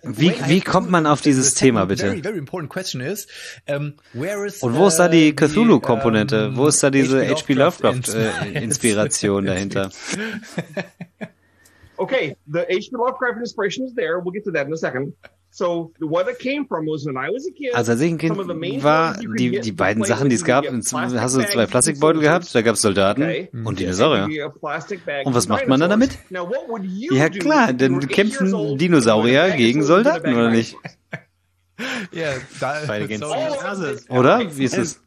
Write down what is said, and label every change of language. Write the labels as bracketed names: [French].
[German] wie kommt man auf dieses Thema bitte? [English] Very, very important question is, where is [German] und wo ist da die Cthulhu-Komponente? Wo ist da diese H.P. Lovecraft Inspiration dahinter? [English] Okay, the H.P. Lovecraft inspiration is there. We'll get to that in a second. So the one that came from was when I was a kid. [German] Also als ich ein Kind war, die beiden Sachen, die es gab, hast du zwei Plastikbeutel gehabt, da gab es Soldaten und Dinosaurier. Und was macht man dann damit? Ja klar, dann kämpfen Dinosaurier gegen Soldaten, oder nicht? Ja, beide gehen oder? Wie ist es?